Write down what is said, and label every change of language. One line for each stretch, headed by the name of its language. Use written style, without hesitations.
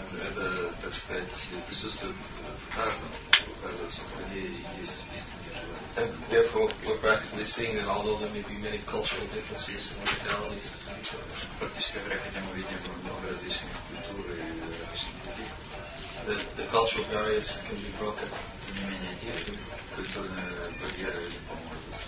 Russian: Это, так сказать, присутствует в каждом, у каждого сомнения есть истинное желание.
English: And therefore, we're practically seeing that although there may be many cultural differences and mentalities,
Russian: практически говоря, хотя мы видим много различных культур и различных людей,
English: the cultural barriers can be broken.
Russian: Тем не менее, эти культурные барьеры или помогут.